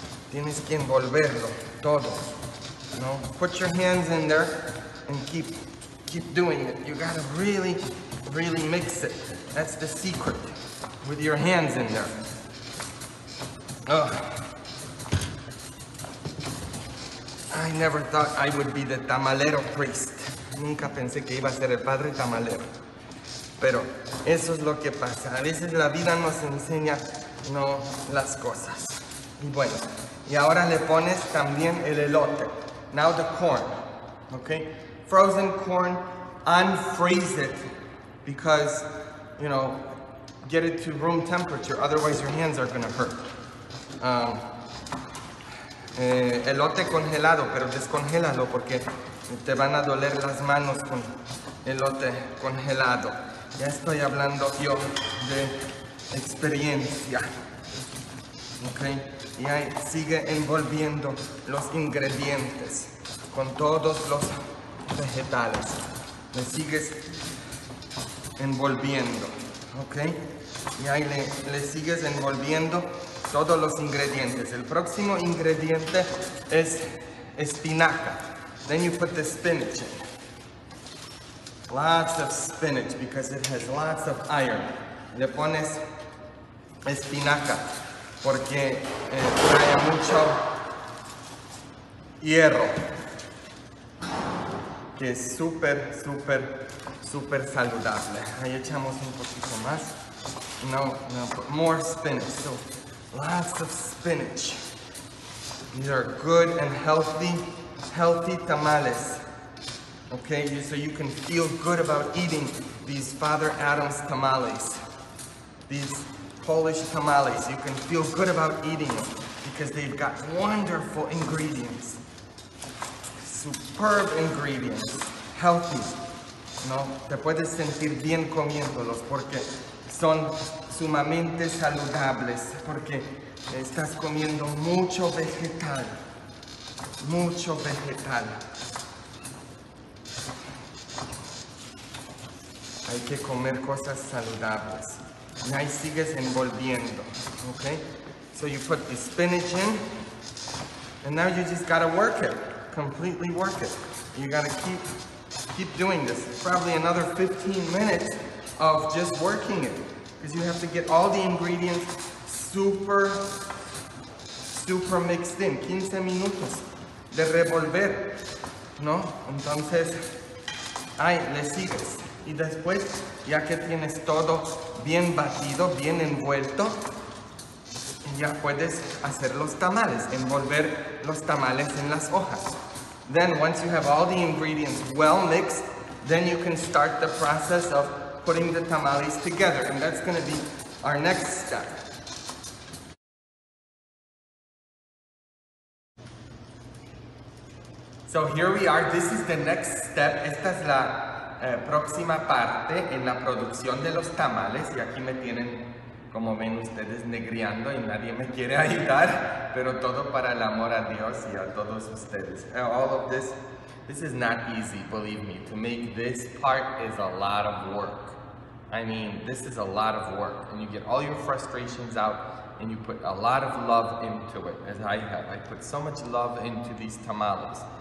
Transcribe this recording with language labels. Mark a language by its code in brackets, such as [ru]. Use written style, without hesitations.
[es] Tienes que envolverlo todo. [en] No, put your hands in there and keep doing it. You gotta really, really mix it. That's the secret. With your hands in there. Ugh. I never thought I would be the tamalero priest. [es] Nunca pensé que iba a ser el padre tamalero. Pero eso es lo que pasa. A veces la vida nos enseña, no, las cosas. Y bueno, y ahora le pones también el elote. [en] Now the corn, okay? Frozen corn, unfreeze it because, you know, get it to room temperature, otherwise your hands are gonna hurt. [es] Elote congelado, pero descongélalo porque te van a doler las manos con elote congelado. Ya estoy hablando yo de experiencia. Okay, y ahí sigue envolviendo los ingredientes con todos los vegetales. Le sigues envolviendo, okay? Y ahí le sigues envolviendo todos los ingredientes. El próximo ingrediente es espinaca. [en] Then you put the spinach in. Lots of spinach because it has lots of iron. Le pones espinaca porque trae mucho hierro, que es súper, súper, súper saludable. Ahí echamos un poquito más. No, put more spinach. So, lots of spinach. These are good and healthy tamales. Okay, so you can feel good about eating these Father Adam's tamales. These Polish tamales, you can feel good about eating them because they've got wonderful ingredients. Superb ingredients, healthy. [es] No, te puedes sentir bien comiéndolos porque son sumamente saludables, porque estás comiendo mucho vegetal. Mucho vegetal. Hay que comer cosas saludables. Y ahí sigues envolviendo, okay? [en] So you put the spinach in, and now you just gotta work it. Completely work it. You gotta keep doing this. Probably another 15 minutes of just working it. Because you have to get all the ingredients super, super mixed in. [es] 15 minutos de revolver, ¿no? Entonces, ahí le sigues. Y después, ya que tienes todo bien batido, bien envuelto, ya puedes hacer los tamales, envolver los tamales en las hojas. [en] Then, once you have all the ingredients well mixed, then you can start the process of putting the tamales together. And that's going to be our next step. So here we are. This is the next step. [es] Esta es la próxima parte en la producción de los tamales. Y aquí me tienen, como ven ustedes, negreando y nadie me quiere ayudar. Pero todo para el amor a Dios y a todos ustedes. [en] All of this, this is not easy, believe me. To make this part is a lot of work. I mean, this is a lot of work. And you get all your frustrations out and you put a lot of love into it, as I have. I put so much love into these tamales.